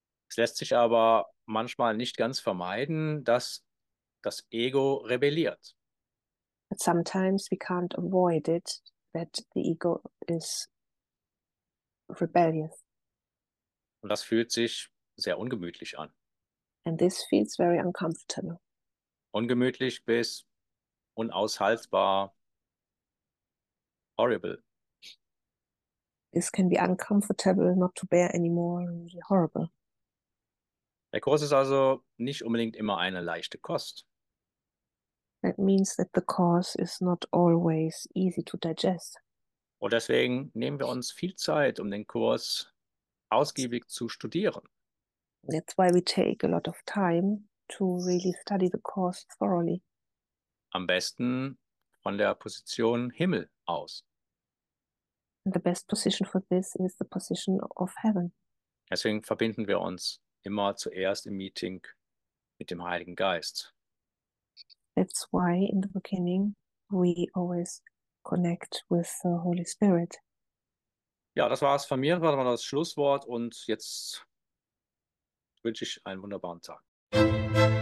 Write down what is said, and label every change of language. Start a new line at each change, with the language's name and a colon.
German: Es lässt sich aber manchmal nicht ganz vermeiden, dass das Ego rebelliert.
English: But sometimes we can't avoid it, that the ego is rebellious.
German: Und das fühlt sich sehr ungemütlich an.
English: And this feels very uncomfortable.
German: Ungemütlich bis unaushaltbar, horrible.
English: This can be uncomfortable, not to bear anymore, really horrible.
German: Der Kurs ist also nicht unbedingt immer eine leichte Kost.
English: That means that the course is not always easy to digest.
German: Und deswegen nehmen wir uns viel Zeit, um den Kurs ausgiebig zu studieren.
English: That's why we take a lot of time to really study the course thoroughly.
German: Am besten von der Position Himmel aus.
English: The best position for this is the position of heaven.
German: Deswegen verbinden wir uns immer zuerst im Meeting mit dem Heiligen Geist.
English: That's why in the beginning we always connect with the Holy Spirit.
German: Ja, das war es von mir. Das war das Schlusswort und jetzt wünsche ich einen wunderbaren Tag.